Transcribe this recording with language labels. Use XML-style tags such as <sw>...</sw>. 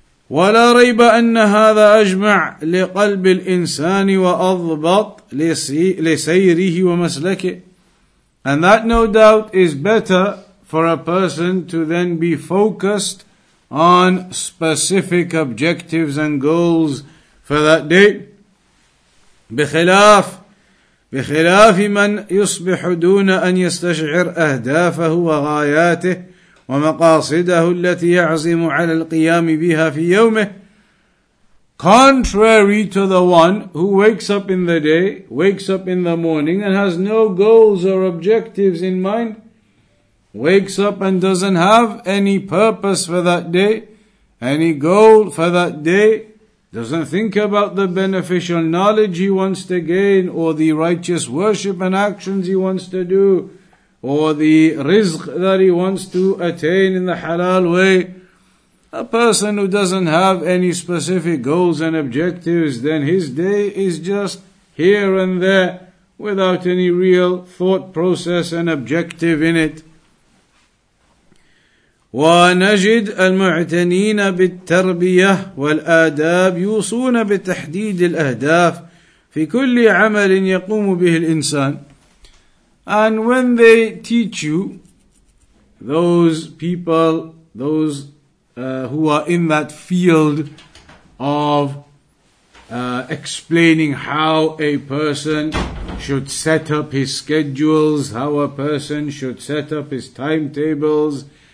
<ar>وَلَا رَيْبَ أَنَّ هَذَا أَجْمَعْ لِقَلْبِ الْإِنسَانِ وَأَضْبَطْ لِسَيْرِهِ وَمَسْلَكِ.</ar> <en>And that no doubt is better for a person to then be focused on specific objectives and goals for that day.</en> <ar>بخلاف من يصبح دون أن يستشعر أهدافه وغاياته ومقاصده التي يعزم على القيام بها في يومه.</ar> <en>Contrary to the one who wakes up in the day, wakes up in the morning and has no goals or objectives in mind, wakes up and doesn't have any purpose for that day, any goal for that day, doesn't think about the beneficial knowledge he wants to gain, or the righteous worship and actions he wants to do, or the rizq that he wants to attain in the halal way. A person who doesn't have any specific goals and objectives, then his day is just here and there, without any real thought process and objective in it.</en> <ar>ونجد المعتنين بالتربية والآداب يوصون بتحديد الأهداف في كل عمل يقوم به الإنسان.</ar> <en>And when they teach you, those people, those who are in that field of explaining how a person should set up his schedules, how a person should set up his timetables,</en>